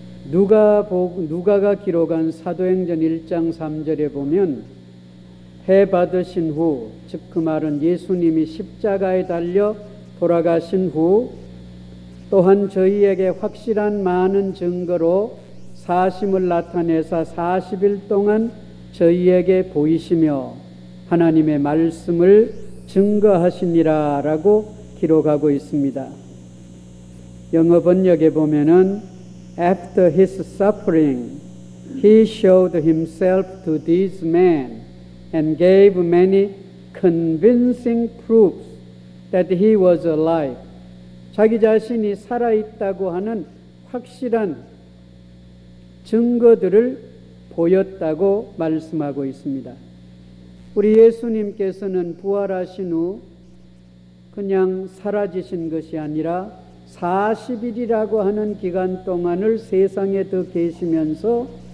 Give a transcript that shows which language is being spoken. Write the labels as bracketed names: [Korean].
[Korean] 누가가 기록한 사도행전 1장 3절에 보면 해 받으신 후, 즉 그 말은 예수님이 십자가에 달려 돌아가신 후 또한 저희에게 확실한 많은 증거로 사심을 나타내사 40일 동안 저희에게 보이시며 하나님의 말씀을 증거하시니라 라고 기록하고 있습니다. 영어 번역에 보면은 [English] After his suffering, he showed himself to these men and gave many convincing proofs that he was alive. [Korean] 자기 자신이 살아있다고 하는 확실한 증거들을 보였다고 말씀하고 있습니다. 우리 예수님께서는 부활하신 후 그냥 사라지신 것이 아니라 40일이라고 하는 기간 동안을 세상에 더 계시면서